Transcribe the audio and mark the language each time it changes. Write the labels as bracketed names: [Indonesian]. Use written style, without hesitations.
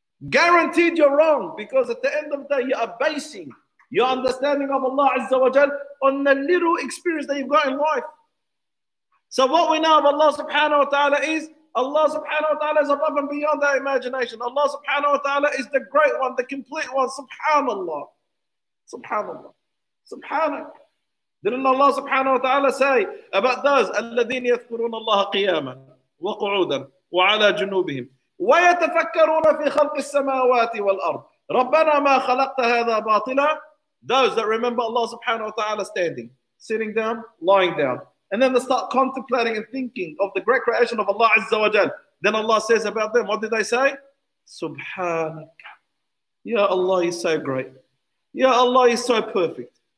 [English] Guaranteed you're wrong, because at the end of the day, you are basing your understanding of Allah Azza wa Jal on the little experience that you've got in life. So what we know of Allah subhanahu wa ta'ala is, Allah subhanahu wa ta'ala is above and beyond our imagination. Allah subhanahu wa ta'ala is the great one, the complete one. [Arabic] Subhanallah. Subhanallah. Subhanak. [English] Didn't Allah subhanahu wa ta'ala say about those, [Arabic] أَلَّذِينَ يَذْكُرُونَ اللَّهَ قِيَامًا وَقُعُودًا وَعَلَى جُنُوبِهِمْ وَيَتَفَكَّرُونَ فِي خَلْقِ السَّمَاوَاتِ وَالْأَرْضِ رَبَّنَا مَا خَلَقْتَ هَذَا بَاطِلًا. [English] Those that remember Allah subhanahu wa ta'ala standing, sitting down, lying down, and then they start contemplating and thinking of the great creation of Allah Azza wa Jal. Then Allah says about them, what did they say? Subhanak. Ya Allah, you're so great. Ya Allah, you're so perfect.